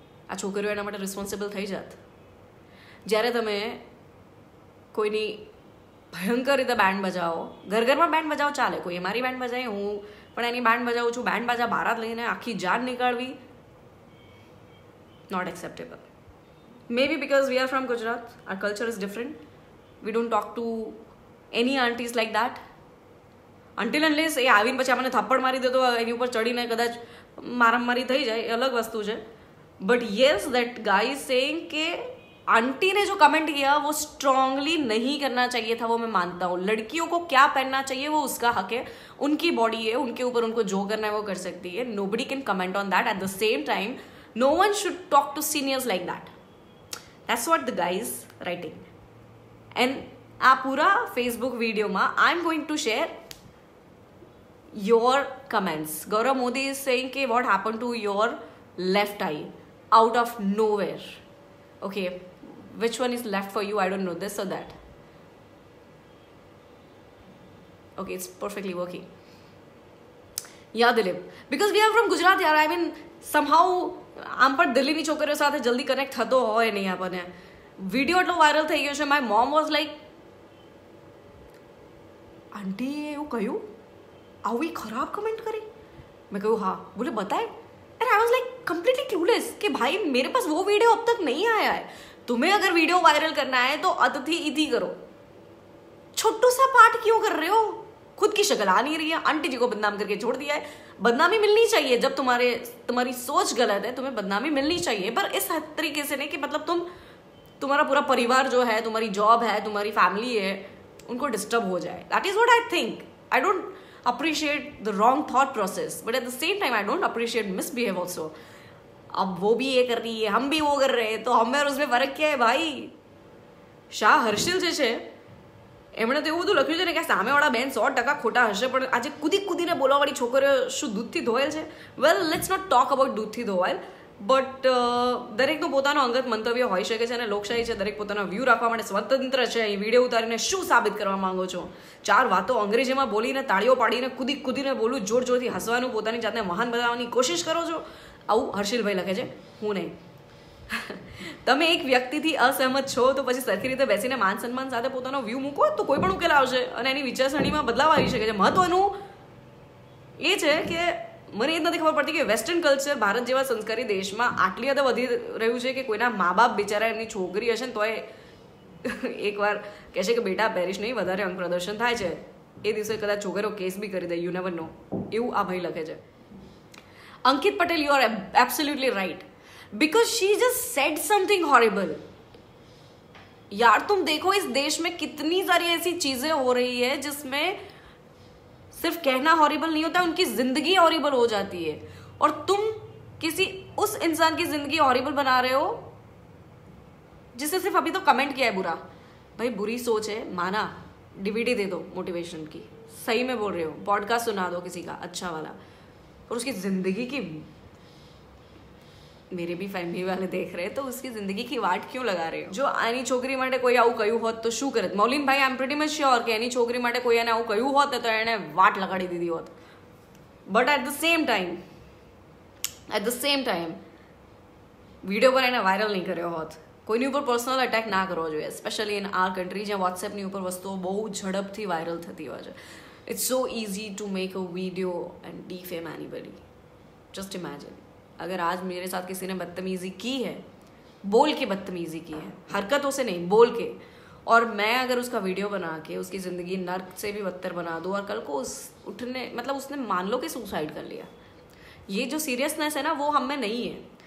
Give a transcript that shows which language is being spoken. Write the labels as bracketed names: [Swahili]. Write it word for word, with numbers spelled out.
[Gujarati] આ છોકરીઓ એના માટે રિસ્પોન્સિબલ થઈ જાત. જ્યારે તમે કોઈની ભયંકર રીતે બેન્ડ બજાવો, ઘર ઘરમાં બેન્ડ બજાવો ચાલે, કોઈ મારી બેન્ડ બજાવી, હું પણ એની બેન્ડ બજાવું છું, બેન્ડ બજા બહાર લઈને આખી જાન નીકળવી, [English] not acceptable. Maybe because we are from Gujarat, our culture is different. We don't talk to any aunties like that. Until unless [Gujarati] એ આવીને પછી આપણને થપ્પડ મારી દે તો એની ઉપર ચડીને કદાચ મારામારી થઈ જાય, એ અલગ વસ્તુ છે. [English] but yes that guy is saying [Hindi] के आंटी ने जो कमेंट किया वो स्ट्रांगली नहीं करना चाहिए था, वो मैं मानता हूँ। लड़कियों को क्या पहनना चाहिए वो उसका हक है, उनकी बॉडी है, उनके ऊपर उनको जो करना है वो कर सकती है, [English] Nobody can comment on that. At the same time no one should talk to seniors like that, that's what the guy is writing. And uh पूरा Facebook video में I am going to share your comments. Gaurav Modi is saying ke what happened to your left eye out of nowhere. Okay, which one is left for you? I don't know, this or that. Okay, it's perfectly working. Yeah, Dilip, because we are from Gujarat yaar. I mean somehow [Gujarati] આમ પણ દિલ્હીની છોકરીઓ સાથે જલ્દી connect થતો હોય નહીં આપણને. વિડીયો એટલો વાયરલ થઈ ગયો છે. [English] my mom was like [Gujarati] આંટીએ એવું કહ્યું, આવી ખરાબ કમેન્ટ કરી? મેં કહ્યું [Hindi] हाँ. बोले बताए? [English] and I was like completely clueless [Hindi] कि भाई मेरे पास वो वीडियो अब तक नहीं आया है। तुम्हें अगर वीडियो वायरल करना है तो अतिथि इति करो, छोटू सा पार्ट क्यों कर रहे हो? खुद की शक्ल आ नहीं रही है, आंटी जी को बदनाम करके छोड़ दिया है। बदनामी मिलनी चाहिए, जब तुम्हारे तुम्हारी सोच गलत है तुम्हें बदनामी मिलनी चाहिए, पर इस तरीके से नहीं कि मतलब तुम तुम्हारा पूरा परिवार जो है, तुम्हारी जॉब है, तुम्हारी फैमिली है, उनको डिस्टर्ब हो जाए। [English] That is what I think. I don't appreciate the wrong thought process, but at the same time I don't appreciate misbehave also. [Hindi] अब वो भी ये कर रही है, हम भी वो कर रहे हैं, तो हमें और उसमें फरक क्या है भाई? [Gujarati] શાહ હર્ષિલ જે છે એમણે તો એવું બધું લખ્યું છે ને કે સામેવાળા બેન સો ટકા ખોટા હશે, પણ આજે કૂદી કૂદીને બોલાવાળી છોકરીઓ શું દૂધથી ધોયેલ છે? [English] well let's not talk about [Gujarati] દૂધથી ધોયેલ, બટ દરેકનું પોતાનું અંગત મંતવ્ય હોઈ શકે છે અને લોકશાહી છે, દરેક પોતાનો વ્યૂ રાખવા માટે સ્વતંત્ર છે. એ વિડીયો ઉતારીને શું સાબિત કરવા માંગો છો? ચાર વાતો અંગ્રેજીમાં બોલીને, તાળીઓ પાડીને, કૂદી કૂદીને બોલું, જોર જોરથી હસવાનું, પોતાની જાતને મહાન બનાવવાની કોશિશ કરો છો? આવું હર્ષિલભાઈ લખે છે, હું નહીં. તમે એક વ્યક્તિથી અસહમત છો તો પછી સરખી રીતે બેસીને માન સન્માન સાથે પોતાનો વ્યૂ મૂકો તો કોઈ પણ ઉકેલ આવશે અને એની વિચારસરણીમાં બદલાવ આવી શકે છે. મહત્વનું એ છે કે મને એ જ નથી ખબર પડતી કે વેસ્ટર્ન કલ્ચર ભારત જેવા સંસ્કારી દેશમાં આટલી હદ વધી રહ્યું છે કે કોઈના મા બાપ બિચારા એમની છોકરી હશે ને તો એ એકવાર કહેશે કે બેટા પેરિસ નહીં, વધારે અંગ પ્રદર્શન થાય છે, એ દિવસે કદાચ છોકરીઓ કેસ બી કરી દે, [English] you never know, [Gujarati] એવું આ ભાઈ લખે છે. [English] Ankit Patel, you are absolutely right because she just said something horrible. [Hindi] यार तुम देखो इस देश में कितनी सारी ऐसी चीज़ें हो रही है जिसमें सिर्फ कहना हॉरिबल नहीं होता, उनकी जिंदगी हॉरिबल हो जाती है, और तुम किसी उस इंसान की जिंदगी हॉरिबल बना रहे हो जिसने सिर्फ अभी तो कमेंट किया है बुरा. भाई बुरी सोच है माना, डीवीडी दे दो मोटिवेशन की, सही में बोल रहे हो, पॉडकास्ट सुना दो किसी का अच्छा वाला, और उसकी जिंदगी की, मेरे भी फैमिली वाले देख रहे हैं तो उसकी जिंदगी की वाट क्यों लगा रहे हो? जो [Gujarati] આની છોકરી માટે કોઈ આવું કહ્યું હોત તો શું કરત? મૌલિનભાઈ, [English] I am pretty much sure [Gujarati] કે એની છોકરી માટે કોઈ એને આવું કહ્યું હોત તો એણે વાટ લગાડી દીધી હોત. [English] but at the same time [Gujarati] at the same time video પર એને વાયરલ નહીં કર્યો હોત. કોઈની ઉપર પર્સનલ અટેક ના કરવો જોઈએ, [English] specially in our country [Gujarati] જ્યાં વોટ્સએપની ઉપર વસ્તુઓ બહુ ઝડપથી વાયરલ થતી હોય છે. [English] It's so easy to make a video and defame anybody. Just imagine [Hindi] अगर आज मेरे साथ किसी ने बदतमीजी की है, बोल के बदतमीजी की है, हरकतों से नहीं बोल के, और मैं अगर उसका वीडियो बना के उसकी ज़िंदगी नर्क से भी बदतर बना दूँ और कल को उस उठने मतलब उसने मान लो कि सुसाइड कर लिया, ये जो सीरियसनेस है ना वो हम में नहीं है.